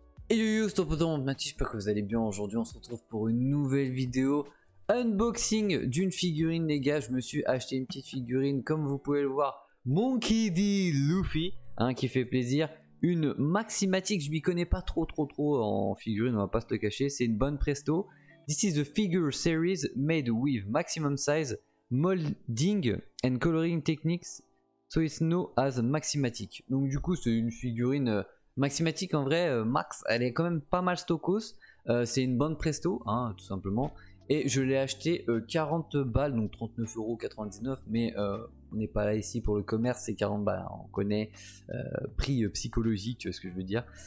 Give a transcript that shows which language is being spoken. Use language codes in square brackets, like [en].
[fr] Et yo yo, stop autant, Mathis, j'espère que vous allez bien. Aujourd'hui, on se retrouve pour une nouvelle vidéo unboxing d'une figurine, les gars. Je me suis acheté une petite figurine, comme vous pouvez le voir, Monkey D. Luffy, hein, qui fait plaisir. Une Maximatic, je m'y connais pas trop en figurine, on va pas se le cacher. C'est une bonne presto. [en] This is a figure series made with maximum size, molding and coloring techniques, so it's known as Maximatic. [fr] Donc du coup, c'est une figurine... Maximatic, en vrai, Max, elle est quand même pas mal stockos. C'est une bonne presto, hein, tout simplement. Et je l'ai acheté 40 balles, donc 39,99€. Mais on n'est pas là ici pour le commerce, c'est 40 balles. Hein. On connaît prix psychologique, tu vois ce que je veux dire.